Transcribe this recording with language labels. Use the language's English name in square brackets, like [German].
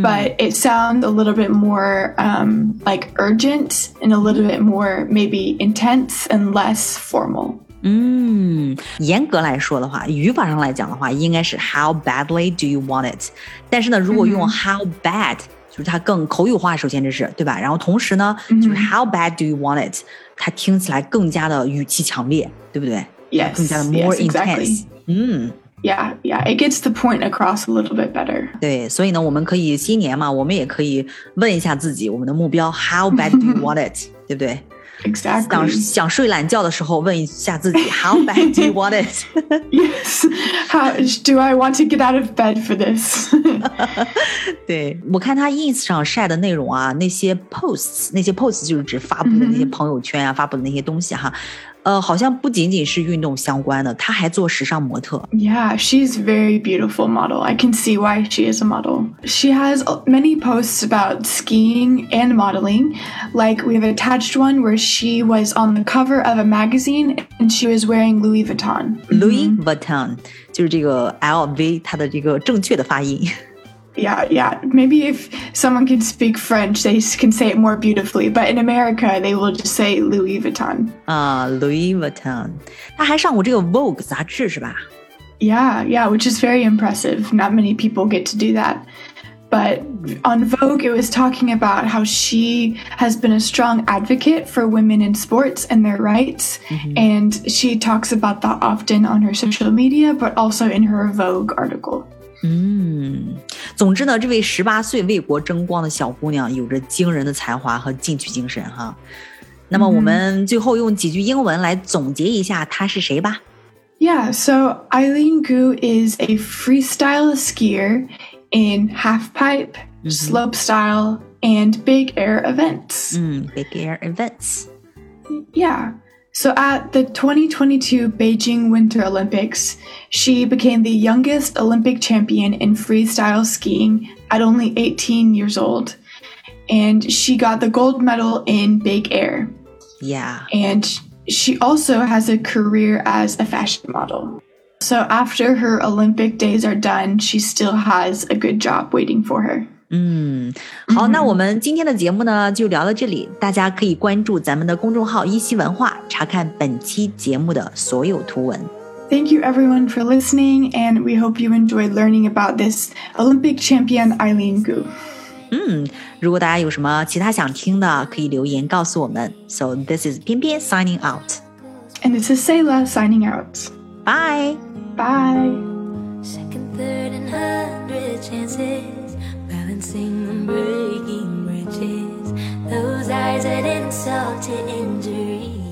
[English] but it sounds a little bit more、like urgent and a little bit more maybe intense and less formal. [Chinese] 嗯，严格来说的话，语法上来讲的话，应该是 [English] how badly do you want it? [Chinese] 但是呢，如果用 [English] how bad,、 [Chinese] mm-hmm. 就是它更口语化，首先这是对吧？然后同时呢，就是 [English] How bad do you want it？ [Chinese] 它听起来更加的语气强烈，对不对 [English] ？Yes， [Chinese] 更加的 more [English] yes, intense、 exactly.。嗯，Yeah， yeah， it gets the point across a little bit better。 [Chinese] 对，所以呢，我们可以新年嘛，我们也可以问一下自己，我们的目标 [English] How bad do you want it？ [Chinese] 对不对 [English] ？Exactly [Chinese] 想。想睡懒觉的时候，问一下自己 [English] How bad do you want it？ Yes， how do I want to get out of bed for this？ [Chinese] 对，我看他 ins 上晒的内容啊，那些 posts 就是指发布的那些朋友圈啊、mm-hmm. 发布的那些东西哈，好像不仅仅是运动相关的，他还做时尚模特。 [English] Yeah, she's very beautiful model. I can see why she is a model. She has many posts about skiing and modeling. Like we have attached one where she was on the cover of a magazine and she was wearing Louis Vuitton. Louis Vuitton、mm-hmm. [Chinese] 就是这个 LV 它的这个正确的发音。 [English] Yeah, yeah. Maybe if someone can speak French, they can say it more beautifully. But in America, they will just say Louis Vuitton. Louis Vuitton. [Chinese] 他还上过这个 Vogue 杂志是吧？ [English] Yeah, yeah, which is very impressive. Not many people get to do that. But on Vogue, it was talking about how she has been a strong advocate for women in sports and their rights.、Mm-hmm. And she talks about that often on her social media, but also in her Vogue article. [Chinese] 嗯，总之呢，这位十八岁为国争光的小姑娘有着惊人的才华和进取精神哈。那么我们最后用几句英文来总结一下她是谁吧。 [English] Yeah, so Eileen Gu is a freestyle skier in half pipe, slope style, and big air events. 嗯 ，big air events. Yeah. So at the 2022 Beijing Winter Olympics, she became the youngest Olympic champion in freestyle skiing at only 18 years old. And she got the gold medal in big air. Yeah. And she also has a career as a fashion model. So after her Olympic days are done, she still has a good job waiting for her. [Chinese] 嗯，好，那我们今天的节目呢就聊到这里，大家可以关注咱们的公众号一席文化，查看本期节目的所有图文。 [English] Thank you everyone for listening, and we hope you enjoy learning about this Olympic champion Eileen Gu. [Chinese] 嗯，如果大家有什么其他想听的可以留言告诉我们。 [English] So this is Pian Pian signing out. And this is Sayla signing out. Bye. Bye. Second, third, and hundred chancesBalancing on breaking bridges, those eyes add insult to injury.